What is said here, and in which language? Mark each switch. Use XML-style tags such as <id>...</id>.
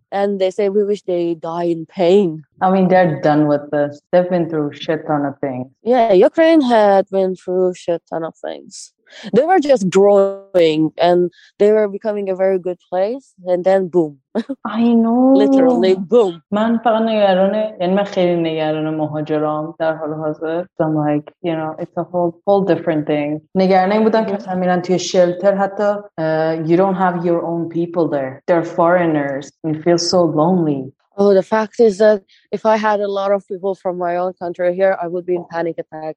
<en>And they say, we wish they die in pain. I mean, they're done with this. They've been through a shit ton of things. Yeah, Ukraine had been through a shit ton of things. They were just growing and they were becoming a very good place and then boom. I know. Literally boom.</en> <fa>من فقط نگرانه، یعنی من خیلی نگرانه مهاجرام در حال حاضر.</fa> <en>I'm like, you know, it's a whole different thing.</en> <fa>نگرانه این بودن که مثلا میرن توی شلتر، حتی</fa> <en>you don't have your own people there. They're foreigners. You feel so lonely. Oh, the fact is that if I had a lot of people from my own country here, I would be in panic attack.</en>